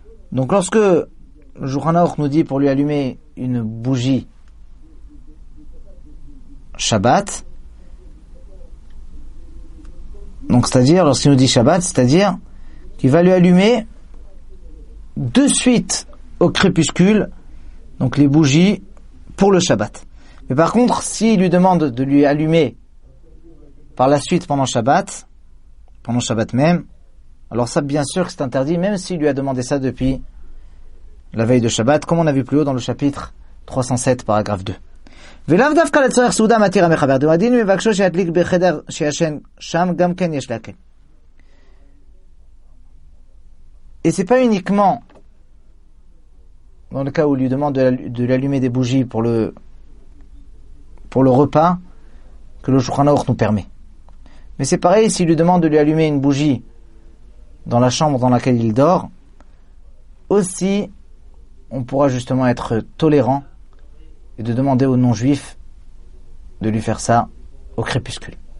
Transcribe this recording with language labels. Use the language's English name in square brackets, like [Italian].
[French] Donc lorsque Shulchan Aruch nous dit pour lui allumer une bougie Shabbat, donc c'est-à-dire lorsqu'il nous dit Shabbat, c'est-à-dire qu'il va lui allumer de suite au crépuscule, donc les bougies pour le Shabbat. Mais par contre, s'il lui demande de lui allumer par la suite pendant Shabbat même, alors ça bien sûr que c'est interdit, même s'il lui a demandé ça depuis la veille de Shabbat, comme on a vu plus haut dans le chapitre 307, paragraphe 2. [Hebrew] ולאו דווקא לצורך סעודה מתיר המחבר דמדין מבקשו שידליק בחדר שישן שם גם כן יש להקל. [French] Et c'est pas uniquement dans le cas où il lui demande de l'allumer des bougies pour le repas que le Shulchan Aruch nous permet. Mais c'est pareil s'il lui demande de lui allumer une bougie dans la chambre dans laquelle il dort, aussi on pourra justement être tolérant et de demander aux non-juifs de lui faire ça au crépuscule.